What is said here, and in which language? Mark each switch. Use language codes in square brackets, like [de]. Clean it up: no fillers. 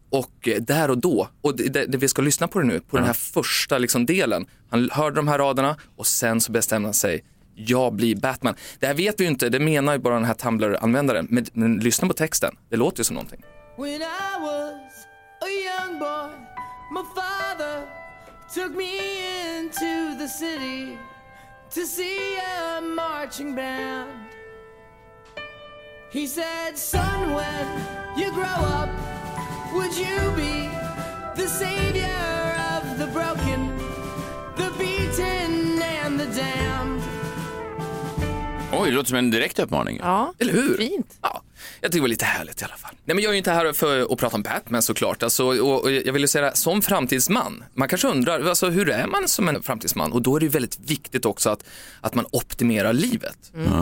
[sv] Och där och då, och det vi ska lyssna på det nu, på den här första liksom delen. Han hörde de här raderna och sen så bestämde han sig: jag blir Batman. Det här vet vi ju inte, det menar ju bara den här Tumblr-användaren. Men lyssna på texten, det låter ju som någonting. [en] When I was a young boy, my father took me into the city to see a marching band. He said, son, when you grow up, would you be the savior of the broken, the beaten and the damned? [sv] Oj, det låter som en direkt uppmaning. Ja, eller hur? Fint. Ja, jag tycker det var lite härligt i alla fall. Nej, men jag är ju inte här för att prata om Batman, såklart. Alltså, och jag vill ju säga, som framtidsman, man kanske undrar, alltså, hur är man som en framtidsman? Och då är det ju väldigt viktigt också att man optimerar livet.